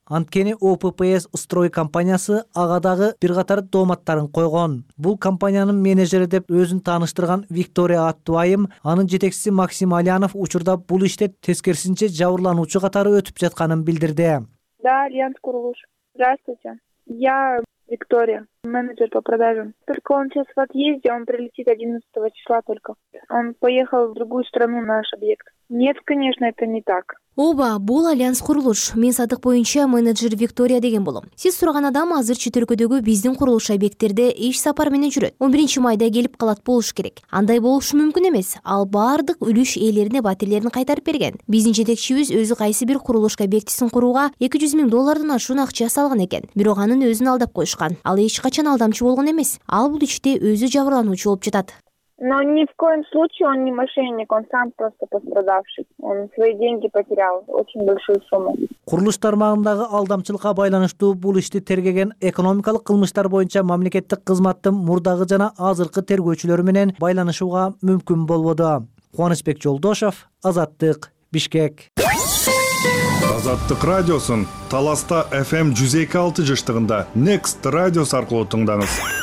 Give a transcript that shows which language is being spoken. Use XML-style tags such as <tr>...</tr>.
<ky>Анткени ОППС строй компаниясы ага дагы бир катар дооматтарын койгон. Бул компаниянын менежери деп өзүн тааныштырган Виктория Аттуайым, анын жетекчиси Максим Альянов учурда бул иште тескерисинче жабырлануучу катары өтүп жатканын билдирди.</ky> <ru>Да, Альянс курулуш. Здравствуйте. Я Виктория, менеджер по продажам. Только он сейчас в отъезде, он прилетит 11 числа только. Он поехал в другую страну на наш объект. Нет, конечно, это не так.</ru> <ky>Оба, бул Альянс курулуш. Мен садык боюнча менеджер Виктория деген болом. Сиз сураган адам азырчы түркөдөгү биздин курулуш объекттерде иш сапар менен жүрөт. 11 майда келип калат болуш керек. Андай болушу мүмкүн эмес. Ал баардык үлүш ээлерине батирлерин кайтарып берген. Биздин жетекчибиз өзү кайсы бир курулуш объектисин курууга 200 миң доллардан ашуун акча салган экен. Бирок анын өзүн алдап коюшкан. Ал эч качан алдамчы болгон эмес. Ал бул иште өзү жабырлануучу болуп жатат.</ky> <ru>Но ни в коем случае он не мошенник, он сам просто пострадавший. Он свои деньги потерял, очень большую сумму.</ru> <ky>Курулуш тармагындагы алдамчылыкка байланыштуу бул ишти тергеген экономикалык кылмыштар боюнча мамлекеттик кызматтын мурдагы жана азыркы тергөөчүлөрү менен байланышууга мүмкүн болбоду. Куанычбек Жолдошов, Азаттык, Бишкек. Азаттык радиосун Таласта FM 102.6 жыштыгында Next радиосу аркылуу тыңдаңыз.</ky>